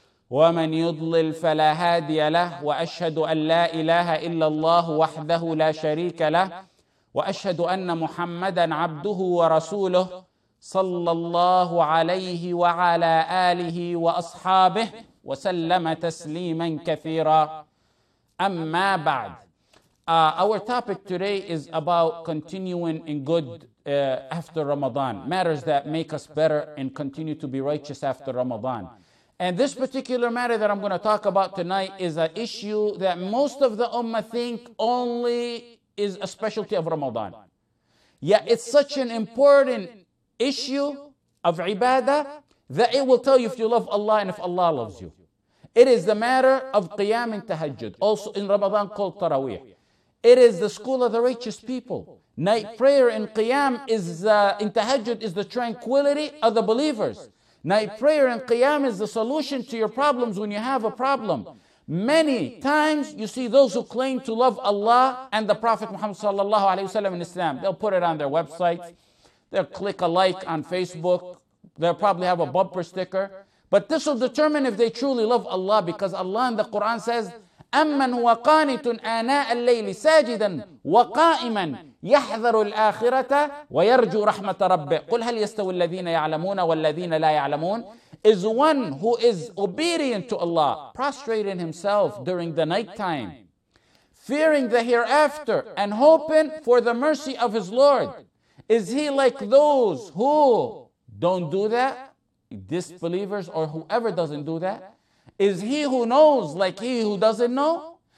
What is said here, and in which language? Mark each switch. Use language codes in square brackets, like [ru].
[ar] ومن يضلل فلا هادي له وأشهد أن لا إله إلا الله وحده لا شريك له وأشهد أن محمدًا عبده ورسوله صلى الله عليه وعلى آله وأصحابه وسلم تسليما كثيرا أما بعد. [en] Our topic today is about continuing in good after Ramadan, matters that make us better and continue to be righteous after Ramadan. And this particular matter that I'm going to talk about tonight is an issue that most of the Ummah think only is a specialty of Ramadan. Yet it's such an important issue of ibadah that it will tell you if you love Allah and if Allah loves you. It is the matter of Qiyam and Tahajjud, also in Ramadan called Taraweeh. It is the school of the righteous people. Night prayer in Qiyam is in Tahajjud is the tranquility of the believers. Night prayer in Qiyam is the solution to your problems when you have a problem. Many times you see those who claim to love Allah and the Prophet Muhammad sallallahu alaihi wasallam in Islam. They'll put it on their website. They'll click a like on Facebook. They'll probably have a bumper sticker. But this will determine if they truly love Allah, because Allah in the Quran says, [ar] أَمَّنْ وَقَانِتٌ آنَاءَ اللَّيْلِ سَاجِدًا وَقَائِمًا يَحْذَرُ الْآخِرَةَ وَيَرْجُو رَحْمَةَ رَبِّهِ قُلْ هَلْ يَسْتَوِي الَّذِينَ يَعْلَمُونَ وَالَّذِينَ لَا يَعْلَمُونَ. [en] Is one who is obedient to Allah, prostrating himself during the night time, fearing the hereafter and hoping for the mercy of his Lord. Is he like those who don't do that? Disbelievers or whoever doesn't do that? Is he who knows like he who doesn't know?